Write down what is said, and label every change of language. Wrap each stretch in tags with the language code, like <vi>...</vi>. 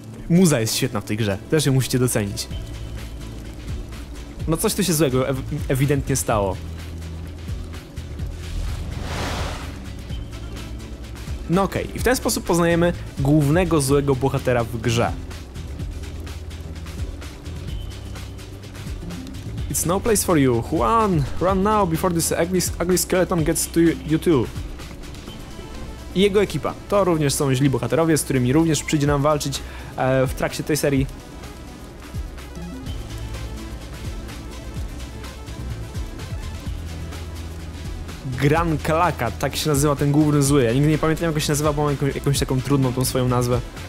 <pl>Muza jest świetna w tej grze, też ją musicie docenić. No coś tu się złego ewidentnie stało. No okej, i w ten sposób poznajemy głównego złego bohatera w grze.</pl> <en>It's no place for you, Juan, run now before this ugly skeleton gets to you too.</en> <pl>I jego ekipa, to również są źli bohaterowie, z którymi również przyjdzie nam walczyć w trakcie tej serii. Gran Calaca, tak się nazywa ten główny zły, ja nigdy nie pamiętam jak się nazywa, bo mam jakąś taką trudną tą swoją nazwę.</pl>